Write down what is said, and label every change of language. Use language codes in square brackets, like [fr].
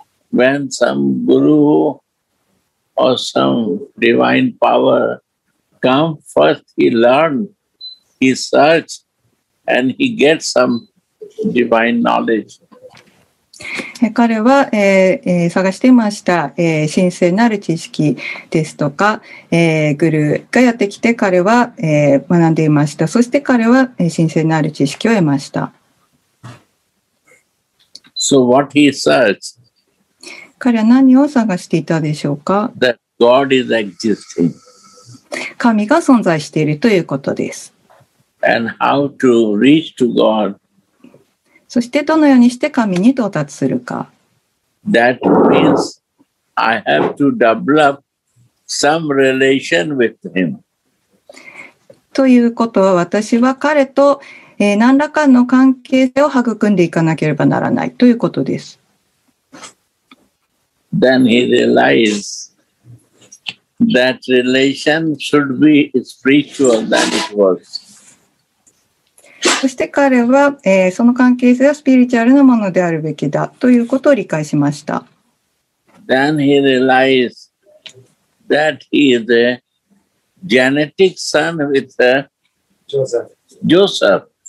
[en] When some guru or some divine power come first, he learn, he search, and he get some divine knowledge. [ja] 彼は、探していました、神聖なる知識ですとか、グルーがやってきて彼は、学んでいました。そして彼は、神聖なる知識を得ました。 [en] So what he searched? [ja] 彼は何を探していたでしょうか。 [en] That God is existing. [ja] 神が存在しているということです。 [en] And how to reach to God? [ja] そしてどのようにして神に到達するか。 [en] That means I have to develop some relation with him. [ja] ということは私は彼と何らかの関係性を育んでいかなければならないということです。 [en] Then he realizes that relation should be spiritual than it was. [ja] そして彼は、その関係性はスピリチュアルなものであるべきだということを理解しました。 [en] Then he realized that he is a genetic son with a Joseph.